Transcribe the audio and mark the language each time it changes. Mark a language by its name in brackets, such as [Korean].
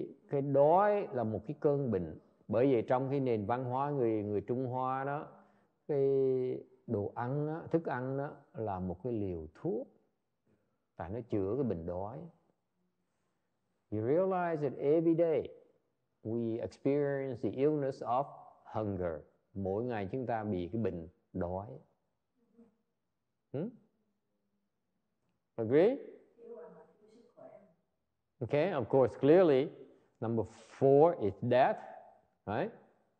[Vietnamese] Cái đói là một cái cơn bệnh. Bởi vì trong cái nền văn hóa người Trung Hoa đó, cái đồ ăn đó, thức ăn đó là một cái liều thuốc, tại nó chữa cái bệnh đói. [English] You realize that every day we experience the illness of hunger. [Vietnamese] Mỗi ngày chúng ta bị cái bệnh đói. [English] Agree? Okay, of course, clearly, number 4 is death. Right?